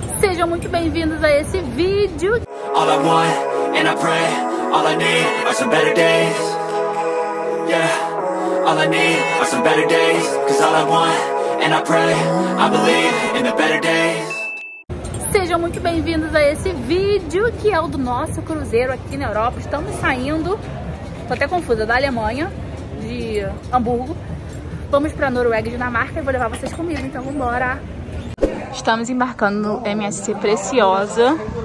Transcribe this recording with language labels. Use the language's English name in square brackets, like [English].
[Portuguese] sejam muito bem-vindos a esse vídeo. [English] All I want and I pray, all I need are some better days. Yeah, all I need are some better days. Cause all I want and I pray, I believe in the better days. [Portuguese] Sejam muito bem-vindos a esse vídeo, que é o do nosso cruzeiro aqui na Europa. Estamos saindo, tô até confusa, da Alemanha, de Hamburgo. Vamos pra Noruega e Dinamarca e vou levar vocês comigo, então vambora! Estamos embarcando no MSC Preciosa.